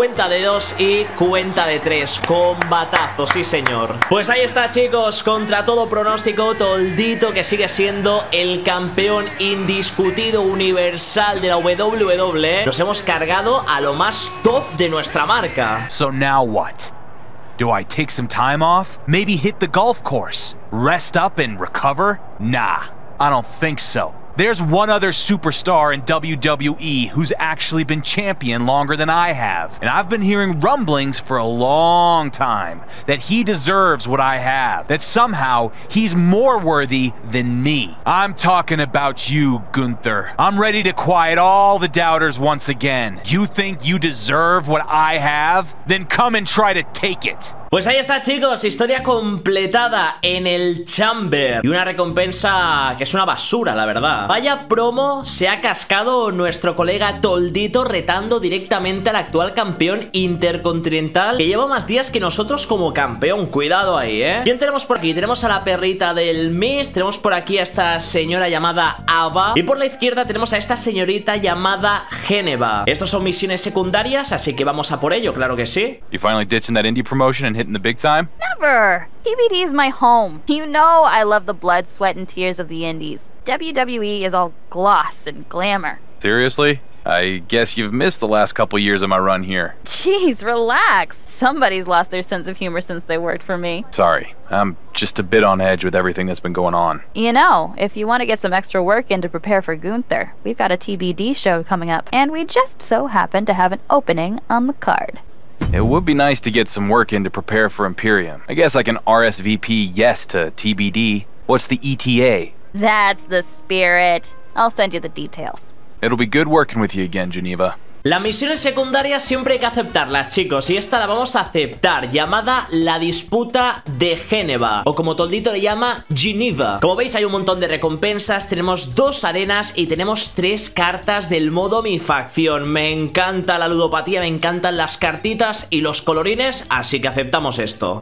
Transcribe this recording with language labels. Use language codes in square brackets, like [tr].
[es] Cuenta de 2 y cuenta de 3. Combatazo, sí señor. Pues ahí está, chicos, contra todo pronóstico, Toldito, que sigue siendo el campeón indiscutido universal de la WWE. Nos hemos cargado a lo más top de nuestra marca. [en] So now what? Do I take some time off? Maybe hit the golf course? Rest up and recover? Nah, I don't think so. There's one other superstar in WWE who's actually been champion longer than I have. And I've been hearing rumblings for a long time that he deserves what I have. That somehow he's more worthy than me. I'm talking about you, Gunther. I'm ready to quiet all the doubters once again. You think you deserve what I have? Then come and try to take it. [es] Pues ahí está, chicos, historia completada en el Chamber. Y una recompensa que es una basura, la verdad. Vaya promo se ha cascado nuestro colega Toldito, retando directamente al actual campeón intercontinental, que lleva más días que nosotros como campeón. Cuidado ahí, ¿eh? ¿Quién tenemos por aquí? Tenemos a la perrita del Miss, tenemos por aquí a esta señora llamada Ava, y por la izquierda tenemos a esta señorita llamada Geneva. Estos son misiones secundarias, así que vamos a por ello, claro que sí. [en] You finally ditching that indie promotion and hitting the big time? Never! PBD is my home. You know I love the blood, sweat, and tears of the indies. WWE is all gloss and glamour. Seriously? I guess you've missed the last couple years of my run here. Jeez, relax. Somebody's lost their sense of humor since they worked for me. Sorry, I'm just a bit on edge with everything that's been going on. You know, if you want to get some extra work in to prepare for Gunther, we've got a TBD show coming up, and we just so happen to have an opening on the card. It would be nice to get some work in to prepare for Imperium. I guess I can RSVP yes to TBD. What's the ETA? That's the spirit. I'll send you the details. It'll be good working with you again, Geneva. [es] Las misiones secundarias siempre hay que aceptarlas, chicos, y esta la vamos a aceptar, llamada la disputa de Geneva, o como Toldito le llama, Geneva. Como veis, hay un montón de recompensas, tenemos 2 arenas y tenemos 3 cartas del modo mi facción. Me encanta la ludopatía, me encantan las cartitas y los colorines, así que aceptamos esto.